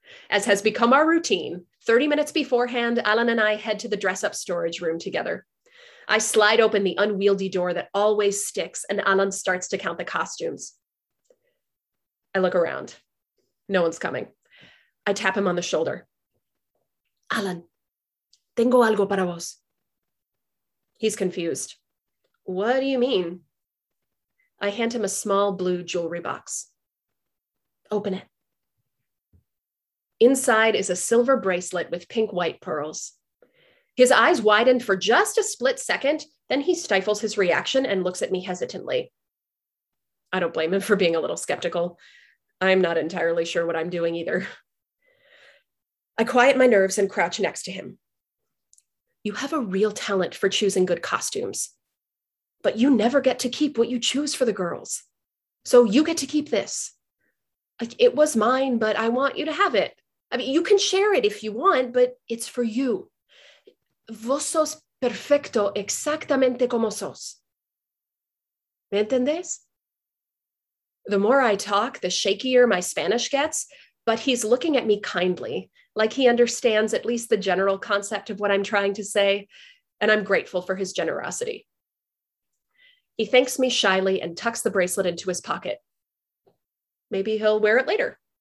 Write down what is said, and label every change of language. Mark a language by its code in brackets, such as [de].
[en] As has become our routine, 30 minutes beforehand, Alan and I head to the dress-up storage room together. I slide open the unwieldy door that always sticks, and Alan starts to count the costumes. I look around. No one's coming. I tap him on the shoulder. [es] Alan, tengo algo para vos. [en] He's confused. What do you mean? I hand him a small blue jewelry box. Open it. Inside is a silver bracelet with pink-white pearls. His eyes widen for just a split second, then he stifles his reaction and looks at me hesitantly. I don't blame him for being a little skeptical. I'm not entirely sure what I'm doing either. I quiet my nerves and crouch next to him. You have a real talent for choosing good costumes, but you never get to keep what you choose for the girls. So you get to keep this. Like, it was mine, but I want you to have it. I mean, you can share it if you want, but it's for you. [es] Vos sos perfecto exactamente como sos. ¿Me entendés? [en] The more I talk, the shakier my Spanish gets, but he's looking at me kindly, like he understands at least the general concept of what I'm trying to say, and I'm grateful for his generosity. He thanks me shyly and tucks the bracelet into his pocket. Maybe he'll wear it later.